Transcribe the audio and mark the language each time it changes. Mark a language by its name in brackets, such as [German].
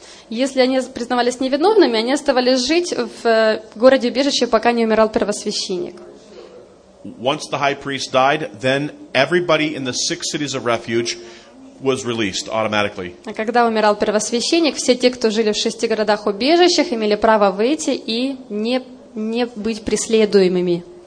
[Russian] Если они признавались невиновными, они оставались жить в городе убежище, пока не умирал первосвященник. [English] Once the high priest died, then everybody in the six cities of refuge was released automatically. [Russian] А когда умирал первосвященник, все те, кто жили в шести городах убежищах, имели право выйти и не быть преследуемыми.